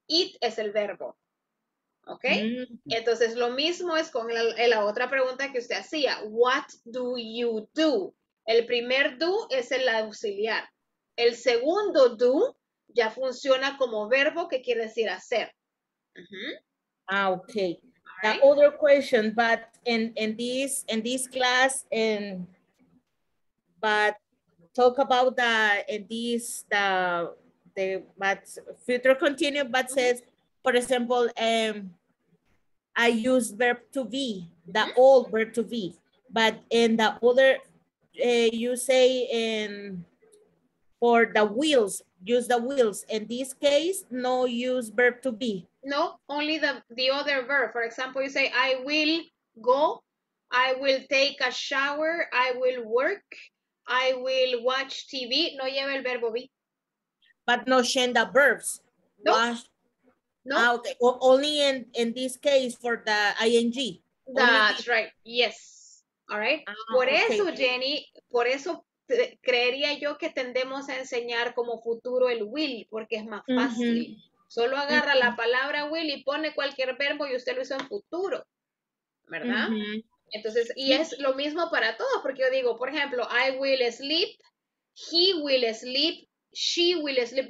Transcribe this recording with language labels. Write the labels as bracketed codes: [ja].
[es] Eat es el verbo. ¿Ok? Entonces, lo mismo es con la otra pregunta que usted hacía. [en] What do you do? [es] El primer do es el auxiliar. El segundo do ya funciona como verbo que quiere decir hacer. Ah, okay. [en] The other question, but in this class, and but talk about the in this the but future continue, but says, for example, I use verb to be, the old verb to be, but in the other, you say in for the wheels, use the wheels. In this case, no use verb to be. No, only the other verb. For example, you say, I will go, I will take a shower, I will work, I will watch TV. [es] No lleva el verbo be. [en] But no change the verbs. No. Watch. No. Okay. Well, only in this case for the ing. That's only right. Yes. All right. [es] Por eso, [en] okay. [es] Jenny, por eso creería yo que tendemos a enseñar como futuro el will, porque es más fácil. Mm-hmm. Solo agarra la palabra will y pone cualquier verbo y usted lo hizo en futuro, ¿verdad? Uh-huh. Entonces, y es lo mismo para todos, porque yo digo, por ejemplo, [en] I will sleep, he will sleep, [es] she will sleep.